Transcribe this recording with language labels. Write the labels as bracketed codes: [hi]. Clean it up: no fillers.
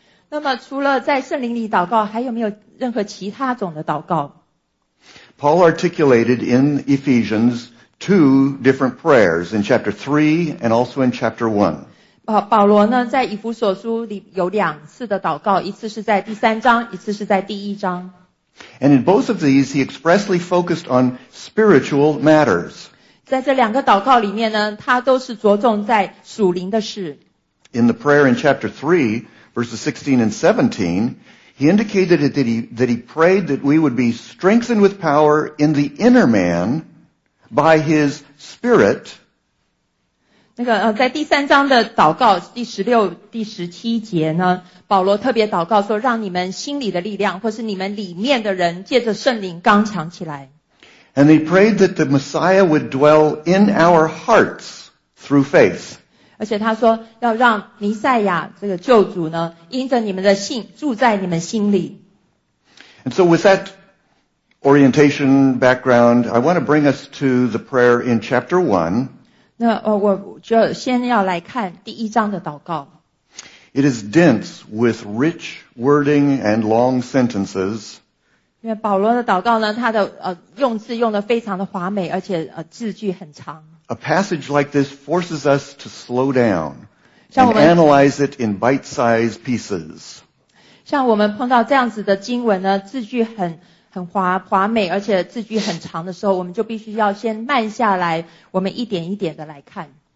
[zh] 那么除了在圣灵里祷告，还有没有任何其他种的祷告？ [en] Paul articulated in Ephesians two different prayers in chapter 3 and also in chapter 1. [zh] 保罗呢，在以弗所书里有两次的祷告，一次是在第三章，一次是在第一章。 [en] And in both of these, he expressly focused on spiritual matters. [zh] 在这两个祷告里面呢，他都是着重在属灵的事。 [en] In the prayer in chapter 3, verses 16 and 17, he indicated that he prayed that we would be strengthened with power in the inner man by his spirit. [zh] 在第三章的祷告第十六、第十七节呢，保罗特别祷告说，让你们心里的力量或是你们里面的人借着圣灵刚强起来。 [en] And he prayed that the Messiah would dwell in our hearts through faith. [zh] 而且他说要让弥赛亚这个救主呢，因着你们的信住在你们心里。 [en] And so with that orientation background, I want to bring us to the prayer in chapter 1. [zh] 我就先要来看第一章的祷告。 [en] It is dense with rich wording and long sentences. [zh] 因为保罗的祷告呢，他的用字用得非常的华美，而且字句很长。 [en] A passage like this forces us to slow down and analyze it in bite-sized pieces. [zh] 像我们碰到这样子的经文呢，字句很华美，而且字句很长的时候，我们就必须要先慢下来，我们一点一点的来看。